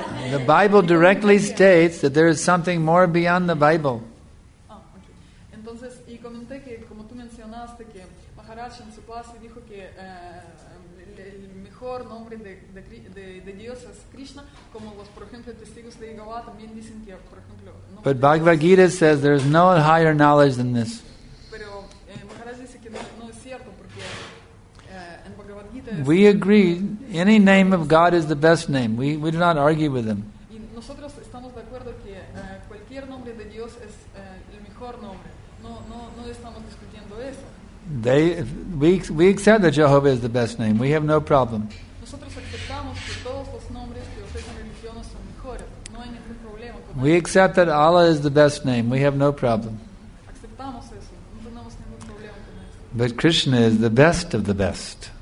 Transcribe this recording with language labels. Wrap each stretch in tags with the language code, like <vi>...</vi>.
<en>The Bible directly states that there is something more beyond the Bible.</en> <es>Entonces, y comenté que, como tú mencionaste, que Maharaj en su clase dijo que el mejor nombre de Dios es Krishna, como los, por ejemplo, testigos de Jehová también dicen que, por ejemplo...</es> <en>But Bhagavad Gita says there is no higher knowledge than this.</en> <es>Pero Maharaj dice que no es cierto, porque en Bhagavad Gita...</es> <en>We agree... Any name of God is the best name. We do not argue with him.</en> <es>Nosotros estamos de acuerdo que cualquier nombre de Dios es el mejor nombre. No no estamos discutiendo eso.</es> <en>We accept that Jehovah is the best name. We have no problem.</en> <es>Nosotros aceptamos que todos los nombres que ofrecen religiones son mejores. No hay ningún problema.</es> <en>We accept that Allah is the best name. We have no problem.</en> <es>Aceptamos eso. No tenemos ningún problema con eso.</es> <en>But Krishna is the best of the best.</en>